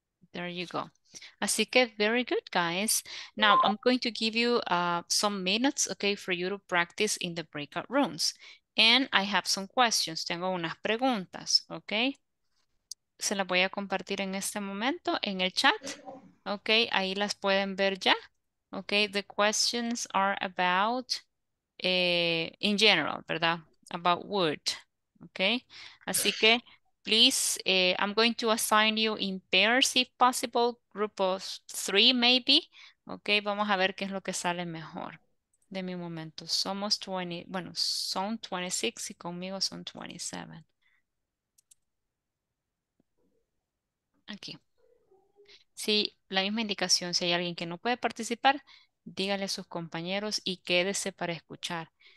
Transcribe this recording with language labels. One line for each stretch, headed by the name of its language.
English: There you go.
Spanish: Así que,
English: very good, guys. Now, I'm going to give you some minutes, okay, for you to practice in the breakout rooms. And I have some questions.
Spanish: Tengo unas preguntas,
English: okay?
Spanish: se las voy a compartir en este momento en el chat.
English: Ok,
Spanish: ahí las pueden ver ya.
English: Ok, the questions are about, in general,
Spanish: ¿verdad?
English: About wood. Ok,
Spanish: así que,
English: please, I'm going to assign you in pairs if possible, group of three maybe.
Spanish: Ok, vamos a ver qué es lo que sale mejor. De mi momento, somos 20, bueno, son 26 y conmigo son 27. Aquí. Sí, la misma indicación, si hay alguien que no puede participar, dígale a sus compañeros y quédese para escuchar.